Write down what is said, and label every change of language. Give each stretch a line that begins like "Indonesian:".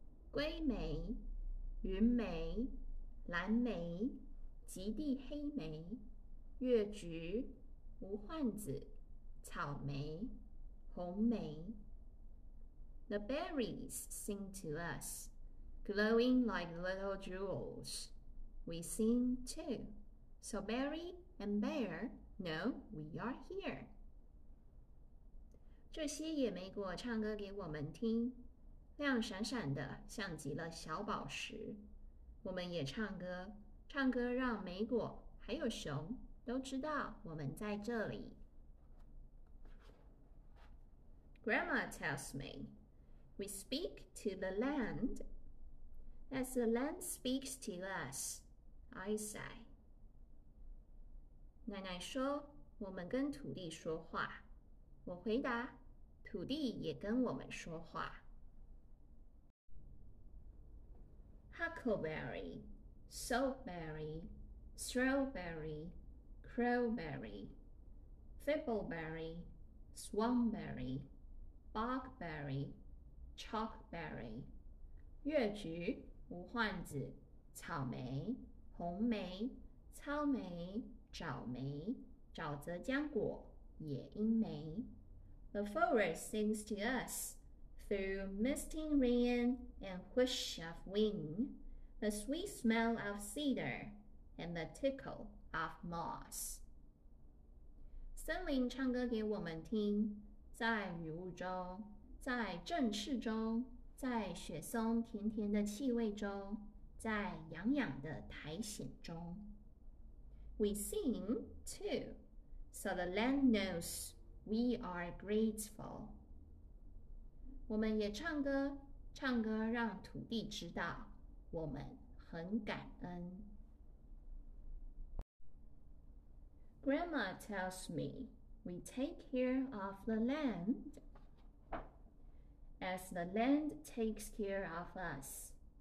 Chinese: 龟莓、云莓、蓝莓、极地黑莓、月菊、无患子、草莓、红莓。
English: The berries sing to us, glowing like little jewels. We sing too. So berry and bear know we are here.
Chinese: 这些野莓果唱歌给我们听，亮闪闪的，像极了小宝石。我们也唱歌，唱歌让莓果还有熊都知道我们在这里。
English: Grandma tells me, we speak to the land as the land speaks to us, I say.
Chinese: 奶奶说，我们跟土地说话，我回答，土地也跟我们说话。
English: Huckleberry, soapberry, strawberry, crowberry, thistleberry, swanberry, bogberry, chalkberry,
Chinese: 月菊、无患子、草莓、红莓、糙莓、沼莓、沼泽浆果、野樱莓。
English: The forest sings to us through misting rain and whoosh of wind. The sweet smell of cedar and the tickle of moss.
Chinese: 森林唱歌给我们听，在雨雾中，在振翅中，在雪松甜甜的气味中，在痒痒的苔藓中。
English: We sing too, so the land knows we are grateful.
Chinese: 我们也唱歌，唱歌让土地知道我们。很感恩。
English: Grandma tells me we take care of the land as the land takes care of us.